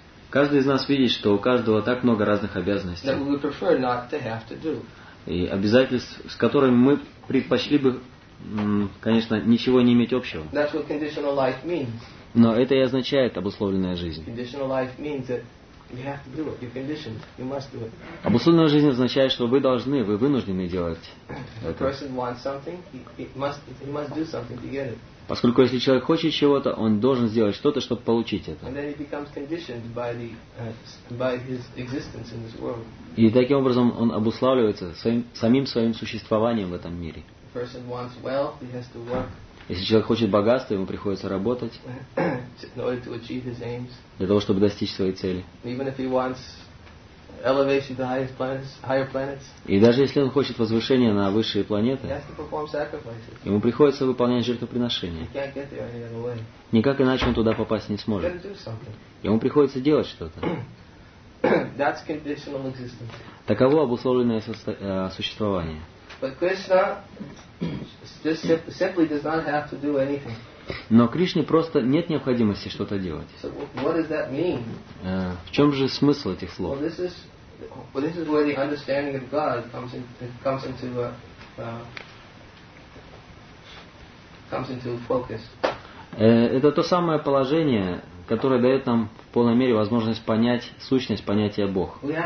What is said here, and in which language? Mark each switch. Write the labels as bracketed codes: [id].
[ru] Каждый из нас видит, что у каждого так много разных обязанностей. И обязательств, с которыми мы предпочли бы, конечно, ничего не иметь общего. [en] That's what conditional life means. [ru] Но это и означает обусловленная жизнь. [en] Conditional life means that you have to do it. You're conditioned. You must do it. [ru] Обусловленная жизнь означает, что вы должны, вы вынуждены делать [en] это. If a person wants something, he must do something to get it. [ru] Поскольку если человек хочет чего-то, он должен сделать что-то, чтобы получить это. [en] And then he becomes conditioned by his existence in this world. [ru] И таким образом он обуславливается самим своим существованием в этом мире. [en] Person wants wealth, he has to work. [ru] Если человек хочет богатства, ему приходится работать [en] in order to achieve his aims. [ru] Для того, чтобы достичь своей цели. [en] Even if he wants elevation to highest planets, higher planets. [ru] И даже если он хочет возвышения на высшие планеты, [en] he has to perform sacrifices. [ru] Ему приходится выполнять жертвоприношения. [en] He can't get there any other way. [ru] Никак иначе он туда попасть не сможет. [en] He's got to do something. [ru] Ему приходится делать что-то. [en] That's conditional existence. [ru] Таково обусловленное существование. [en] But Krishna just simply does not have to do anything. [ru] Но Кришне просто нет необходимости что-то делать. [en] So what does that mean? [ru] В чем же смысл этих слов? [en] Well, this is where the understanding of God comes into focus. [ru] Это то самое положение, которое дает нам в полной мере возможность понять сущность понятия Бог.